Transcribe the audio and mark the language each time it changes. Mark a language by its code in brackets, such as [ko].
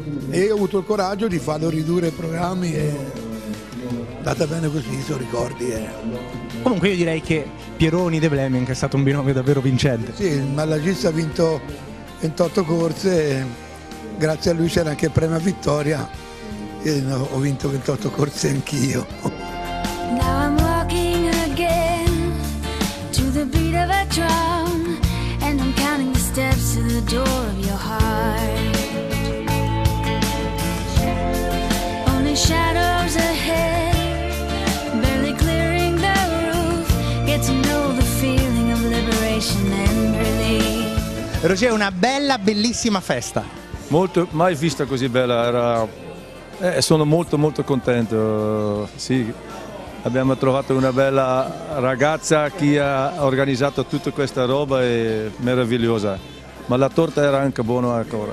[it] E io ho avuto il coraggio di farlo ridurre i programmi e andata bene così, i suoi ricordi. Comunque io direi che Pieroni de Vlaeminck è stato un binomio davvero vincente. Sì, il Malagista ha vinto 28 corse, grazie a lui c'era anche il premio a vittoria e ho vinto 28 corse anch'io. [en] Now I'm walking again to the beat of a drum and I'm counting the steps to the door of your heart. Shadows ahead, barely clearing the roof, get to know the feeling of liberation and relief. [it] Roger, una bella, bellissima festa. Molto, mai vista così bella, sono molto molto contento. Sì, abbiamo trovato una bella ragazza che ha organizzato tutta questa roba e meravigliosa. Ma la torta era anche buona ancora.